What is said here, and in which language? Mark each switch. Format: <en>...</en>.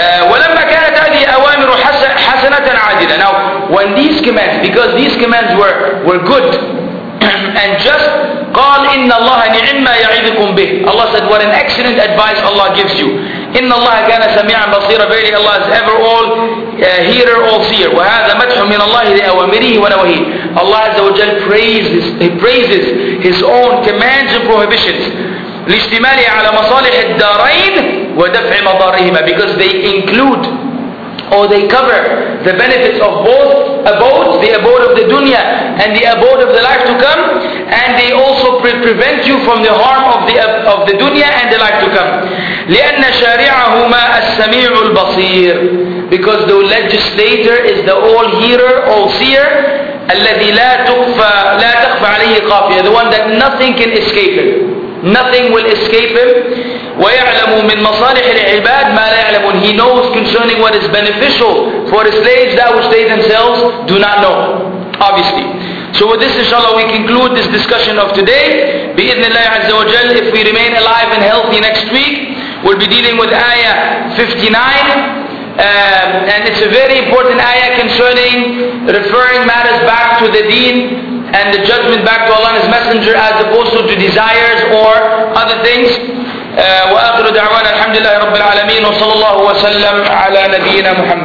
<ar>وَلَمَّا كَانَتْ هَذِي أَوَامِرُ حَسَنَةً عَادِلًا.</ar> <en>Now, when these commands, because these commands were good and just,</en> <ar>قَالْ إِنَّ اللَّهَ نِعِمَّا يَعِذِكُمْ بِهِ.</ar> <en>Allah said, what an excellent advice Allah gives you.</en> <ar>إن الله كان سميعا بصيرا.</ar> <en>Verily Allah is ever all hearer, all seer.</en> <ar>وهذا مدح من الله لأوامره ونواهيه.</ar> <en>Allah عز وجل praises His own commands and prohibitions.</en> <ar>لاشتماله على مصالح الدارين ودفع مضارهما.</ar> <en>Because they include or they cover the benefits of both abodes, the abode of the dunya and the abode of the life to come, and they also prevent you from the harm of the dunya and the life to come.</en> <ar>لأن شارعهما السميع البصير.</ar> <en>Because the legislator is the all-hearer, all-seer.</en> <ar>الذي لا تخفى عليه قافية.</ar> <en>The one that nothing can escape him. Nothing will escape him.</en> <ar>ويعلم من مصالح العباد ما لا يعلمون.</ar> <en>He knows concerning what is beneficial for his slaves that which they themselves do not know. Obviously. So with this, inshallah, we conclude this discussion of today.</en> <ar>بإذن الله عز وجل,</ar> <en>if we remain alive and healthy next week, we'll be dealing with ayah 59, and it's a very important ayah concerning referring matters back to the deen and the judgment back to Allah and His Messenger, as opposed to desires or other things.</en> <ar>وآخر دعوانا الحمد لله رب العالمين وصلى الله وسلم على نبينا محمد.</ar>